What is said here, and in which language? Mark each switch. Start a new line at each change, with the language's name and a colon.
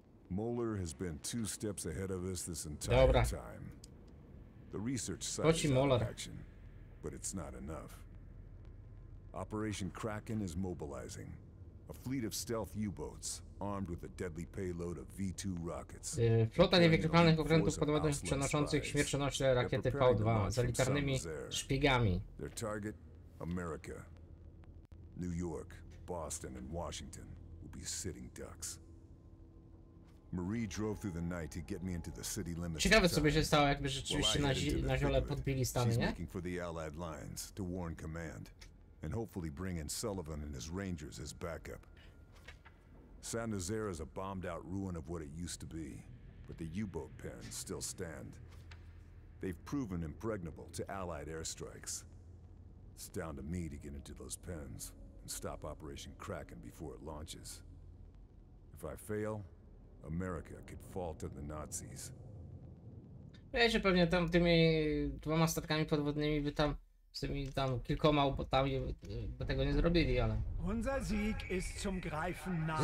English: Muller has been two steps ahead of us this entire time. The research side is out of action, but it's not enough. Operation Kraken is mobilizing a fleet of stealth U-boats armed with a deadly payload of V2 rockets.
Polish: Flota niewykrywalnych okrętów podwodnych przenoszących śmiercionośne rakiety V2 z elitarnymi szpiegami.
English: Their target: America, New York, Boston, and Washington. Be sitting ducks. Marie drove through the night to get me into the city limits.
Polish: Ciekawe, co by się stało, jakby rzeczywiście na ziole podbili Stany, nie?
English: She's looking for the Allied lines to warn command, and hopefully bring in Sullivan and his Rangers as backup. San Nazaire is a bombed-out ruin of what it used to be, but the U-boat pens still stand. They've proven impregnable to Allied airstrikes. It's down to me to get into those pens. Stop Operation Kraken before it launches. If I fail, America could fall to the Nazis.
Polish: Wiesz, że pewnie tam tymi dwoma statkami podwodnymi by tam z tymi tam kilkoma ubotami by tego nie zrobili, ale...
German: Unser Sieg ist zum Greifen nah.